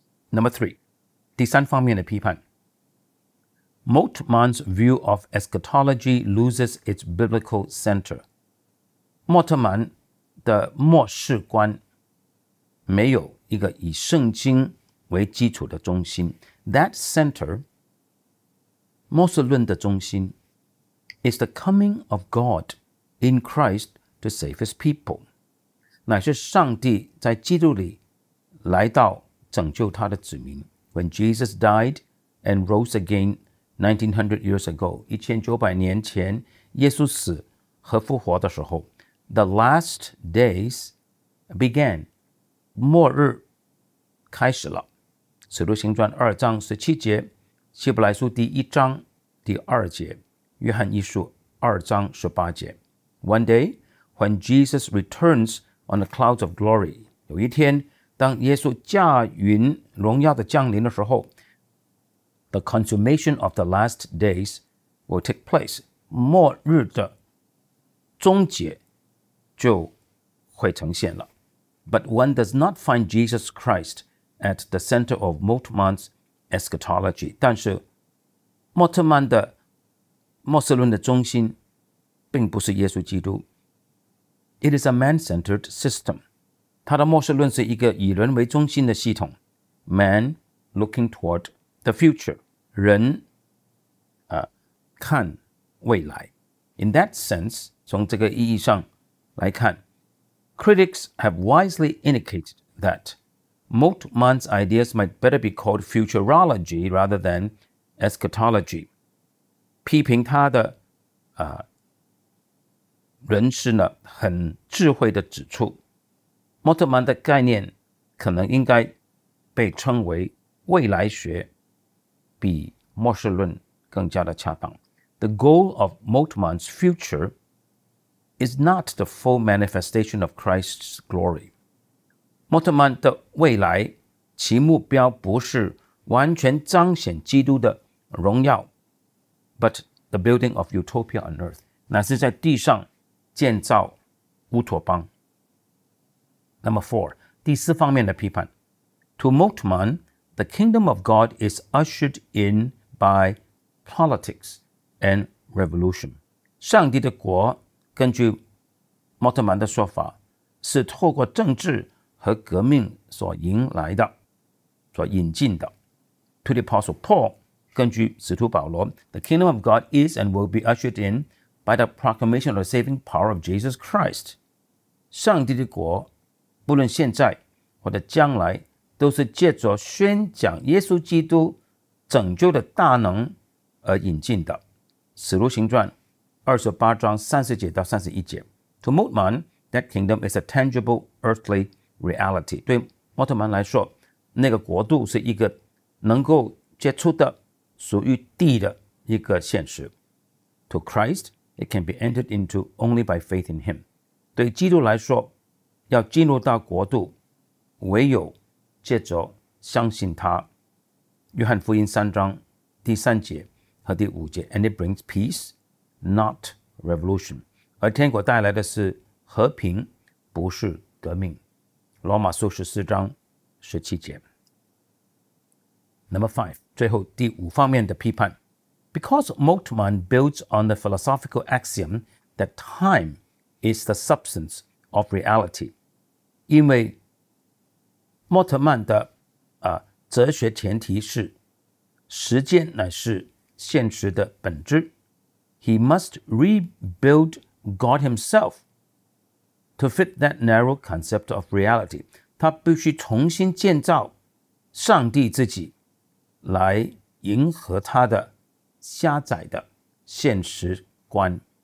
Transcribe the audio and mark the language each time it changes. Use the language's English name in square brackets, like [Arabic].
[English] Number three, [Chinese] 第三方面的批判。 [English] Moltmann's view of eschatology loses its biblical center. [Chinese] 穆特曼的末世观没有一个以圣经为基础的中心。 [English] That center, [Chinese] 末世论的中心 [English] is the coming of God in Christ to save his people. [Chinese] 乃是上帝在基督里来到拯救他的子民。 [English] When Jesus died and rose again 1900 years ago, [Chinese] 1900年前耶稣死和复活的时候， [English] The last days began. [Chinese] 末日开始了。使徒行传二章十七节，希伯来书第一章第二节，约翰一书二章十八节。 [English] One day, when Jesus returns on the clouds of glory, [Chinese] 有一天当耶稣驾云荣耀的降临的时候， [English] The consummation of the last days will take place. [Chinese] 末日的终结就会呈现了。 [English] But one does not find Jesus Christ at the center of Moltmann's eschatology. [Chinese] 但是穆特曼的末世论的中心并不是耶稣基督。 [English] It is a man-centered system. [Chinese] 他的末世论是一个以人为中心的系统。 [English] Man looking toward the future. [Chinese] 人看未来。 [English] In that sense, [Chinese] 从这个意义上来看， [English] critics have wisely indicated that Moltmann's ideas might better be called futurology rather than eschatology. [Chinese] 批评他的人士呢，很智慧地指出，穆特曼的概念可能应该被称为未来学，比末世论更加的恰当。 [English] The goal of Moltmann's future is not the full manifestation of Christ's glory. [Chinese] 穆特曼的未来，其目标不是完全彰显基督的荣耀， [English] but the building of utopia on earth. [Chinese] 乃是在地上建造乌托邦。 [English] Number four, [Chinese] 第四方面的批判。 [English] To Moltmann, the kingdom of God is ushered in by politics and revolution. [Chinese] 上帝的国，根据穆特曼的说法，是透过政治和革命所迎来的，所引进的。 [English] To the Apostle Paul, [Chinese] 根据使徒保罗， [English] The kingdom of God is and will be ushered in by the proclamation of the saving power of Jesus Christ. [Chinese] 上帝的国，不论现在或者将来，都是借着宣讲耶稣基督拯救的大能而引进的。使徒行传28章30节到31节。 [English] To Moltmann, that kingdom is a tangible earthly reality. [Chinese] 对穆特曼来说，那个国度是一个能够接触的属于地的一个现实。 [English] To Christ, it can be entered into only by faith in him. [Chinese] 对基督来说，要进入到国度，唯有借着相信他。约翰福音三章第三节和第五节， [English] And it brings peace, not revolution. [Chinese] 而天国带来的是和平，不是革命。罗马书十四章十七节。 [English] Number five, [Chinese] 最后第五方面的批判。 [English] Because Moltmann builds on the philosophical axiom that time is the substance of reality. [Chinese] 因为穆特曼的哲学前提是时间乃是现实的本质。 [English] He must rebuild God himself to fit that narrow concept of reality. [Chinese] 他必须重新建造上帝自己来迎合他的狭窄的现实观。